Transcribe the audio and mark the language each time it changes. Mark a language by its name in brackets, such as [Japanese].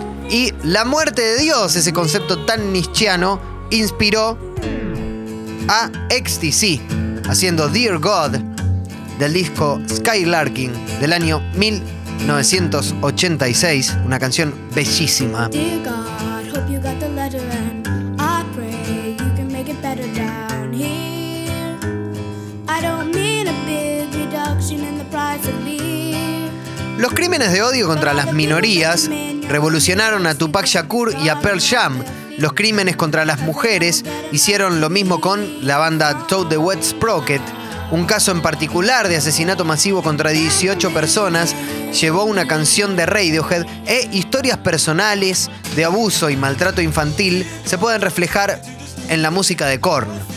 [Spanish] Y la muerte de Dios, ese concepto tan nietzscheano, inspiró a Ecstasy, haciendo Dear God del disco Skylarking del año 1986, una canción bellísima. [English] Dear God, hope you got the letter and I pray you can make it better down here. I don't mean a big reduction in the price of beer. [Spanish] Los crímenes de odio contra las minorías revolucionaron a Tupac Shakur y a Pearl Jam. Los crímenes contra las mujeres hicieron lo mismo con la banda T02E09. Un caso en particular de asesinato masivo contra 18 personas llevó una canción de Radiohead, e historias personales de abuso y maltrato infantil se pueden reflejar en la música de Korn.